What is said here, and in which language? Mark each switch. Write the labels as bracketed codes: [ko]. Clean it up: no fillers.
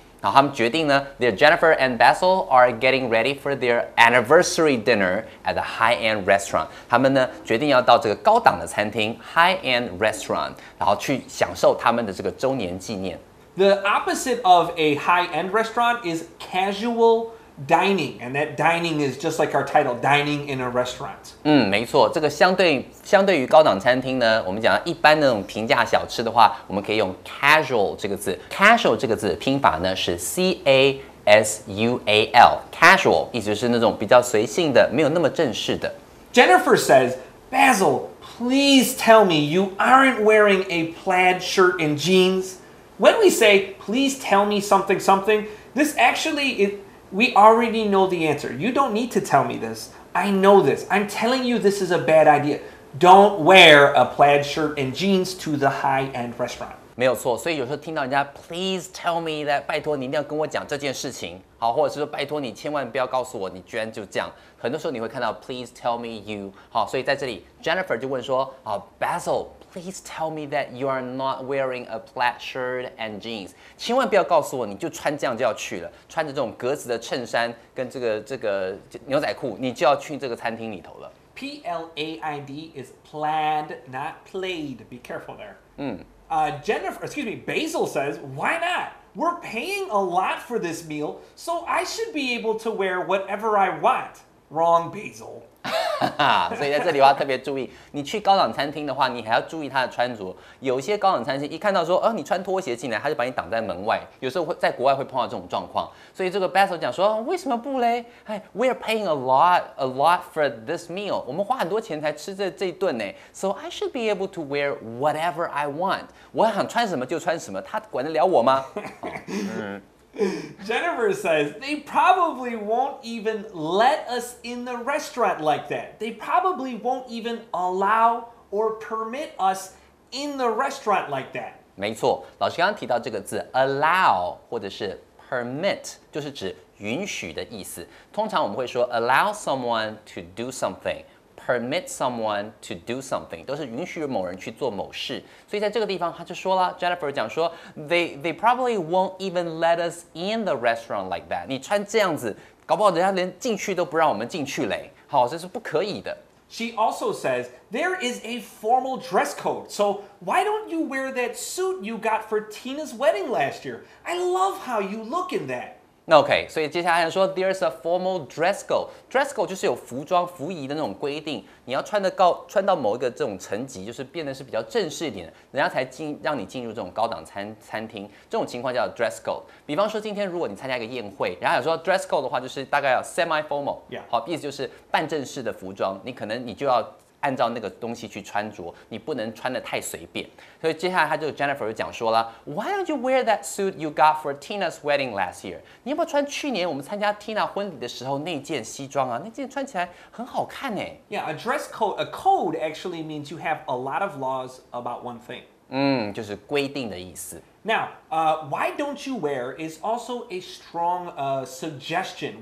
[zh] 然后他们决定呢 [en] their Jennifer and Basil are getting ready for their anniversary dinner at a high-end restaurant. [zh] 他们呢决定要到这个高档的餐厅 high-end restaurant， 然后去享受他们的这个周年纪念。 [en] The opposite of a high-end restaurant is casual dining, and that dining is just like our title, dining in a restaurant. [zh] 嗯，没错，这个相对于高档餐厅呢，我们讲一般那种平价小吃的话，我们可以用 casual 这个字。 Casual 这个字的拼法呢是 casual， casual 意思是那种比较随性的，没有那么正式的。 [en] Jennifer says, Basil, please tell me you aren't wearing a plaid shirt and jeans. When we say, please tell me something something, this actually is... We already know the answer. You don't need to tell me this. I know this. I'm telling you this is a bad idea. Don't wear a plaid shirt and jeans to the high-end restaurant. [zh] 没有错，所以有时候听到人家 [en] please tell me that， [zh] 拜托你一定要跟我讲这件事情，好，或者是说拜托你千万不要告诉我你居然就这样。很多时候你会看到 [en] please tell me you， [zh] 好，所以在这里 Jennifer 就问说，好 Basil。 [en] Please tell me that you are not wearing a plaid shirt and jeans. [zh] 千万不要告诉我你就穿这样就要去了，穿着这种格子的衬衫跟这个牛仔裤，你就要去这个餐厅里头了。 [en] Plaid is plaid, not played. Be careful there. Basil says, why not? We're paying a lot for this meal, so I should be able to wear whatever I want. Wrong, Basil. [zh] 所以在这里的话特别注意，你去高档餐厅的话，你还要注意他的穿着。有些高档餐厅一看到说，你穿拖鞋进来，他就把你挡在门外。有时候会在国外会碰到这种状况。所以这个 Basil 讲说，为什么不嘞？ [en] 哎 ，We are paying a lot for this meal. [zh] 我们花很多钱才吃这一顿呢。 [en] So I should be able to wear whatever I want. [zh] 我想穿什么就穿什么，他管得了我吗？ [en] Jennifer says, they probably won't even let us in the restaurant like that. They probably won't even allow or permit us in the restaurant like that. [zh] 没错，老师刚刚提到这个字 allow 或者是 permit 就是指允许的意思。通常我们会说 [en] allow someone to do something, permit someone to do something, [zh] 都是允许某人去做某事。所以在这个地方他就说了 [en] ,Jennifer 讲说 they probably won't even let us in the restaurant like that. [zh] 你穿这样子搞不好人家连进去都不让我们进去嘞。好，这是不可以的。 [en] She also says, there is a formal dress code. So why don't you wear that suit you got for Tina's wedding last year? I love how you look in that. OK, [zh] 所以接下来说 [en] there's a formal dress code. [zh] Dress code 就是有服装服仪的那种规定，你要穿到某一个这种层级，就是变得是比较正式一点，人家才让你进入这种高档餐厅。这种情况叫 dress code。比方说今天如果你参加一个宴会，然后有说 dress code 的话，就是大概要 semi formal， 好，意思就是半正式的服装，你可能你就要按照那个东西去穿着，你不能穿得太随便。所以接下来他就 Jennifer 就讲说了 [en] ，Why don't you wear that suit you got for Tina's wedding last year？ [zh] 你要不要穿去年我们参加 Tina 婚礼的时候那件西装啊？那件穿起来很好看呢。 [en] Yeah, a dress code, a code actually means you have a lot of laws about one thing. [zh] 就是规定的意思。 [en] Now, why don't you wear is also a strong suggestion.